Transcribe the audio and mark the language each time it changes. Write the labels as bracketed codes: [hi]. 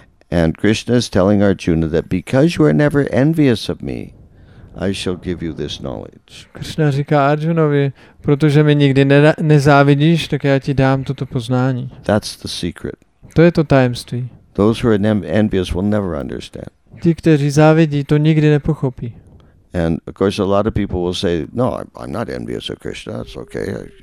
[en] And Krishna is telling Arjuna that because you are never envious of me, I shall give you this knowledge. [cs] Krishna říká Arjunovi, protože mi nikdy nezávidíš, tak já ti dám toto poznání. [en] That's the secret. [cs] To je to tajemství. [en] Those who are envious will never understand. [cs] Ti, kteří závidí, to nikdy nepochopí. [en] And of course a lot of people will say, no, I'm not envious of Krishna, it's okay.